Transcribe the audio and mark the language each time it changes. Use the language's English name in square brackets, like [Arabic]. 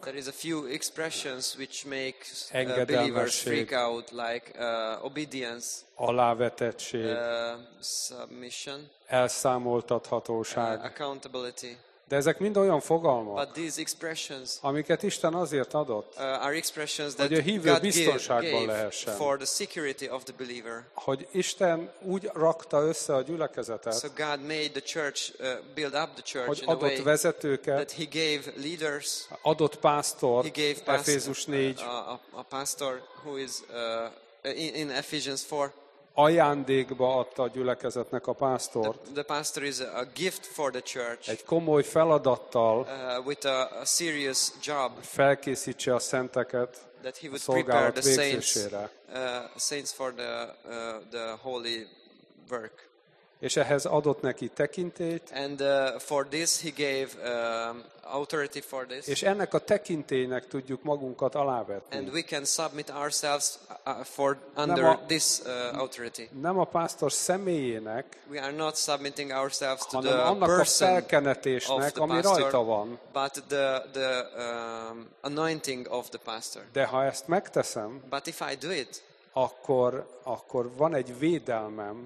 [English] There is a few expressions which make believers freak out, like obedience, [Hungarian] alávetettség, [English] submission, [Hungarian] elszámoltathatóság. [English] Accountability. [Hungarian] De ezek mind olyan fogalmak, [English] but these expressions, [Hungarian] amiket Isten azért adott, [English] are expressions [Hungarian] hogy [English] that [Hungarian] a hívő [English] God [Hungarian] biztonságban lehessen. [English] For the security of the believer. [Hungarian] Hogy Isten úgy rakta össze a gyülekezetet, [English] so God made the church, build up the church [Hungarian] hogy adott [English] in a way [Hungarian] vezetőket, [English] that he gave leaders, [Hungarian] adott pásztort, [English] he gave pastor, [Hungarian] Efézus 4, [English] a pastor who is in Ephesians 4. [Hungarian] Ajándékba adta a gyülekezetnek a pásztort. [English] The pastor is a gift for the church. [Hungarian] Egy komoly feladattal, [English] with a serious job. [Hungarian] Felkészítse a szenteket. [English] That he would [Hungarian] a szolgálat [English] prepare the [Hungarian] végzésére. [English] Saints for the holy work. [Hungarian] És ehhez adott neki tekintélyt. [English] And for this he gave authority for this. [Hungarian] És ennek a tekintélynek tudjuk magunkat alávetni. [English] And we can submit ourselves for under this authority. [Hungarian] Nem a pásztor személyének. [English] We are not submitting ourselves to the person of the pastor, [Hungarian] ami rajta van. [English] But the anointing of the pastor. [Hungarian] De ha ezt megteszem, [English] but if I do it, [Hungarian] akkor van egy védelmem,